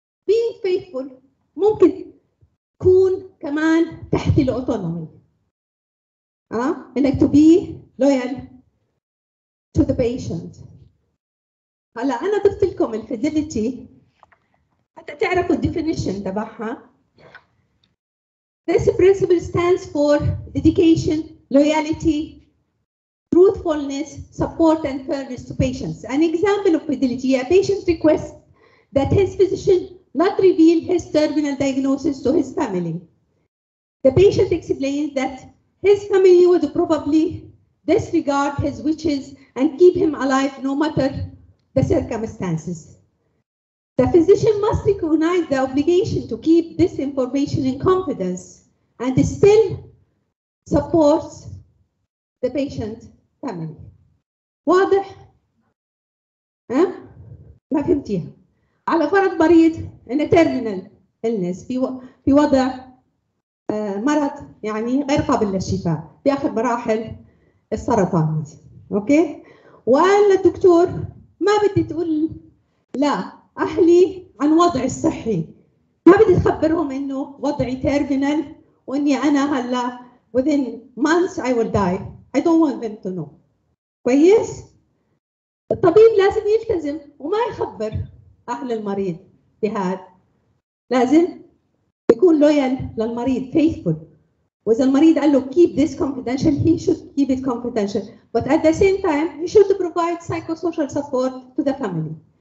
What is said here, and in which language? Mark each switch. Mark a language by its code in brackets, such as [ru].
[en] Being faithful [ar] ممكن تكون كمان تحت الاوتونومي. [en] انك to be loyal to the patient. [ar] هلا انا ضفت لكم الفيدلتي حتى تعرفوا الديفينيشن تبعها. [en] This principle stands for dedication, loyalty, truthfulness, support, and fairness to patients. An example of fidelity, a patient requests that his physician not reveal his terminal diagnosis to his family. The patient explains that his family would probably disregard his wishes and keep him alive no matter the circumstances. The physician must recognize the obligation to keep this information in confidence and still supports the patient family. [ar] واضح؟ ها؟ ما فهمتيها. على فرض مريض انه terminal illness في وضع مرض يعني غير قابل للشفاء في اخر مراحل السرطان. اوكي؟ وقال للدكتور ما بدي تقول لا اهلي عن وضعي الصحي. ما بدي تخبرهم انه وضعي terminal واني انا هلا [en] within months I will die. I don't want them to know. [ar] كويس؟ الطبيب لازم يلتزم وما يخبر أهل المريض بهذا. لازم يكون loyal للمريض, faithful, و وإذا المريض قال له [en] keep this confidential, he should keep it confidential. But at the same time, he should provide psychosocial support to the family.